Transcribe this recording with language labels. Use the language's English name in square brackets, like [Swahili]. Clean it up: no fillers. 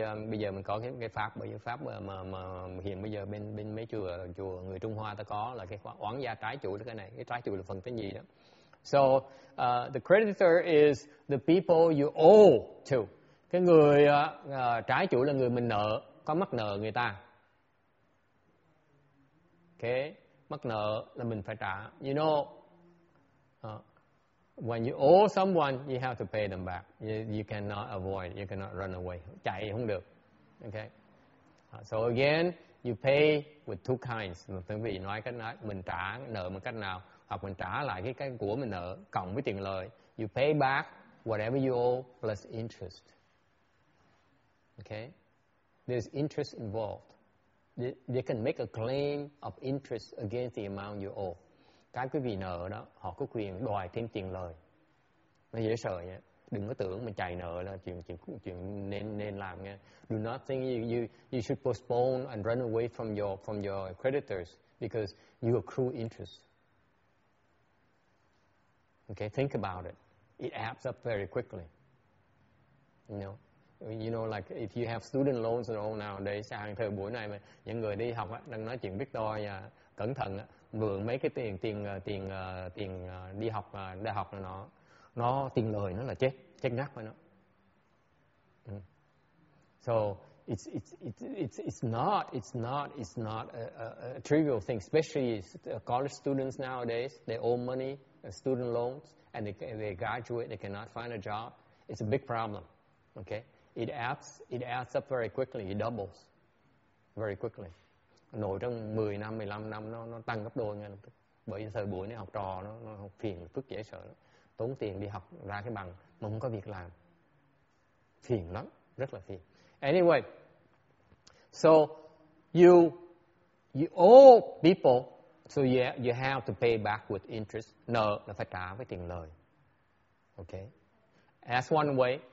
[Vietnamese] Bây giờ mình có cái pháp, bởi vì pháp mà hiện bây giờ bên mấy chùa người Trung Hoa ta có là cái oán gia trái chủ, cái này cái trái chủ là phần thứ nhì đó. [English] So the creditor is the people you owe to. [Vietnamese] Cái người trái chủ là người mình nợ, có mắc nợ người ta. Okay, mắc nợ là mình phải trả. [English] You know, when you owe someone, you have to pay them back. You cannot avoid, you cannot run away. [Vietnamese] Chạy không được. [English] Okay. So again, you pay with two kinds. [Vietnamese] Thưa quý vị nói cách nào, mình trả nợ bằng cách nào? Hoặc mình trả lại cái của mình nợ cộng với tiền lời. [English] You pay back whatever you owe plus interest. Okay? There's interest involved. They can make a claim of interest against the amount you owe. [Vietnamese] Cái quý vị nợ đó, họ có quyền đòi thêm tiền lời. Nó dễ sợ nhé. Đừng có tưởng mình chạy nợ là chuyện nên làm nghe. [English] Do not think you should postpone and run away from your creditors because you accrue interest. Okay, think about it. It adds up very quickly. You know, like if you have student loans and all nowadays, [Vietnamese] hàng thời buổi này mà những người đi học á, đang nói chuyện Victor nha, cẩn thận á, mượn mấy cái tiền đi học đại học này nó tiền lời nó là chết ngắt rồi nó. [English] So it's not a trivial thing, especially college students nowadays. They owe money, student loans, and they graduate, they cannot find a job. It's a big problem. Okay, it adds up very quickly. It doubles very quickly. [Vietnamese] Nổi trong 10 năm, 15 năm nó tăng gấp đôi ngay lập tức. Bởi thời buổi này học trò nó học phiền phức dễ sợ lắm. Tốn tiền đi học ra cái bằng mà không có việc làm. Phiền lắm, rất là phiền. [English] Anyway, so you owe people, so yeah, you have to pay back with interest. [Vietnamese] Nợ là phải trả với tiền lời. Okay? [English] That's one way.